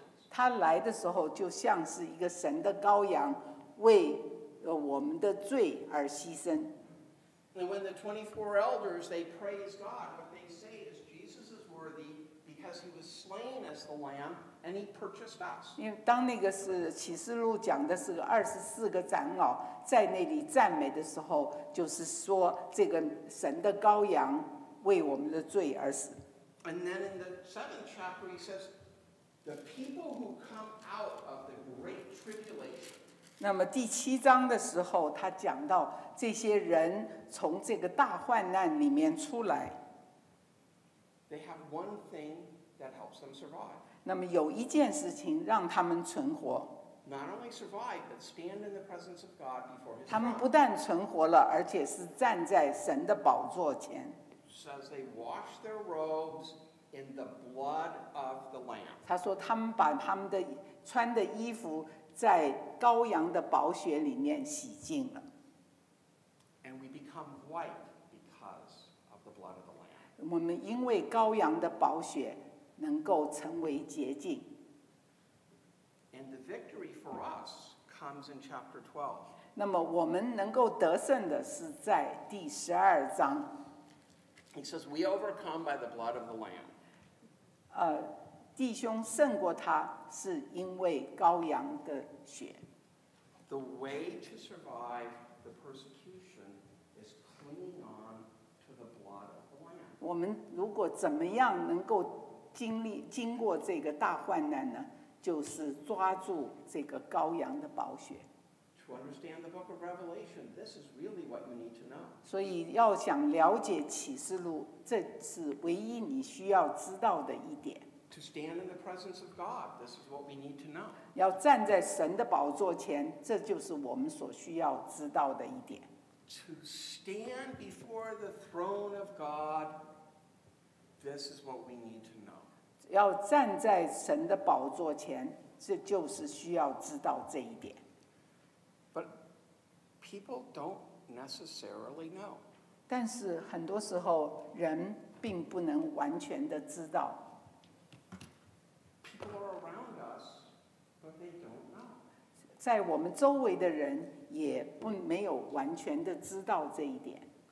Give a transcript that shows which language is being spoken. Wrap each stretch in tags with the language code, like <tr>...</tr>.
<zh>他来的时候就像是一个神的羔羊，为我们的罪而牺牲。</zh> <en>And when the 24 elders they praise God, what they say is Jesus is worthy because he was slain as the lamb and he purchased us.</en> <zh>因为当那个是启示录讲的是24个长老在那里赞美的时候，就是说这个神的羔羊为我们的罪而死。</zh> <en>And then in the seventh chapter he says, the people who come out of the great tribulation.</en> <zh>那么第七章的时候，他讲到这些人从这个大患难里面出来。</zh> <en>They have one thing that helps them survive.</en> <zh>那么有一件事情让他们存活。</zh> <en>Not only survive, but stand in the presence of God before His.</en> <zh>他们不但存活了，而且是站在神的宝座前。</zh> <en>Says they wash their robes in the blood of the Lamb.</en> <zh>他说他们把他们的穿的衣服在羔羊的宝血里面洗净了。</zh> <en>And we become white because of the blood of the Lamb.</en> <zh>我们因为羔羊的宝血能够成为洁净。</zh> <en>And the victory for us comes in chapter 12.</en> <zh>那么我们能够得胜的是在第十二章。</zh> <en>He says, "We overcome by the blood of the Lamb."</en> <zh>弟兄胜过他是因为羔羊的血。</zh> <en>The way to survive the persecution is clinging on to the blood of the Lamb.</en> <zh>我们如果怎么样能够经过这个大患难呢？就是抓住这个羔羊的宝血。</zh> <en>To understand the book of Revelation, this is really what you need to know.</en> <zh>所以要想了解启示录，这是唯一你需要知道的一点。</zh> <en>To stand in the presence of God, this is what we need to know.</en> <zh>要站在神的宝座前，这就是我们所需要知道的一点。</zh> <en>To stand before the throne of God, this is what we need to know.</en> <zh>要站在神的宝座前，这就是需要知道这一点。</zh> <en>But people don't necessarily know.</en> <zh>但是很多时候，人并不能完全的知道。</zh> <en>People are around us, but they don't know.</en> <zh>在我们周围的人也不没有完全的知道这一点。</zh>